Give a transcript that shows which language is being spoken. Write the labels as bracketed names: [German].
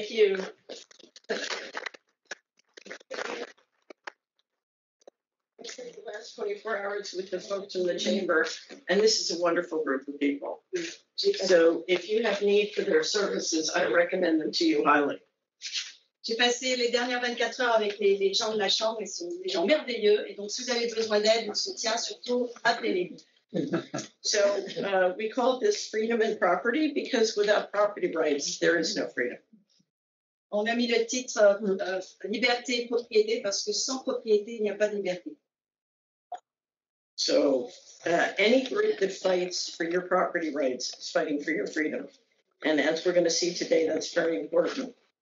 [English] Thank you. The last 24 hours with the folks in the chamber, and this is a wonderful group of people. So if you have need for their services, I recommend them to you highly. [French] J'ai passé les dernières 24 heures avec les gens de la chambre, ils sont des gens merveilleux, et donc si vous avez besoin d'aide ou de soutien, surtout appelez-les. [English] So we call this freedom and property, because without property rights, there is no freedom. [French] On a mis le titre liberté et propriété parce que sans propriété, il n'y a pas de liberté. [English] So, any group that fights for your property rights is fighting for your freedom. And as we're going to see today, that's very important.